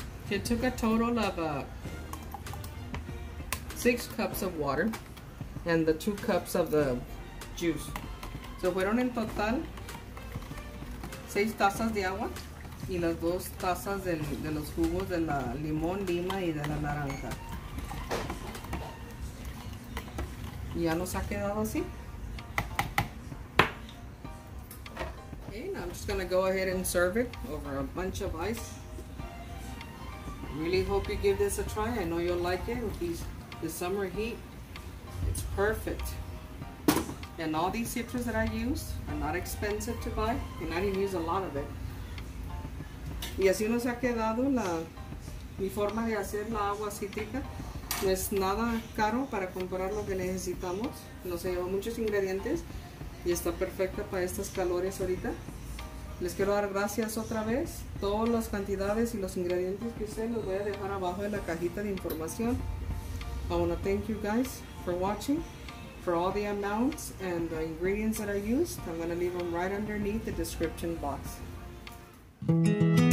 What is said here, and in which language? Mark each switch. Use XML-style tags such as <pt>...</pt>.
<en>It took a total of 6 cups of water and the 2 cups of the juice.</en> <es>So fueron en total 6 tazas de agua y las 2 tazas de los jugos de la limón, lima y de la naranja. Y ya nos ha quedado así.</es> <en>Okay, now I'm just going to go ahead and serve it over a bunch of ice. Really hope you give this a try. I know you'll like it with the summer heat. It's perfect. And all these citrus that I used are not expensive to buy. And I didn't use a lot of it.</en> <es>Y así nos ha quedado mi forma de hacer la agua cítrica. No es nada caro para comprar lo que necesitamos. No se lleva muchos ingredientes. Y está perfecta para estos calores ahorita. Les quiero dar gracias otra vez. Todas las cantidades y los ingredientes que usé los voy a dejar abajo en la cajita de información.</es> <en>I want to thank you guys for watching, for all the amounts and the ingredients that I used. I'm going to leave them right underneath the description box.</en>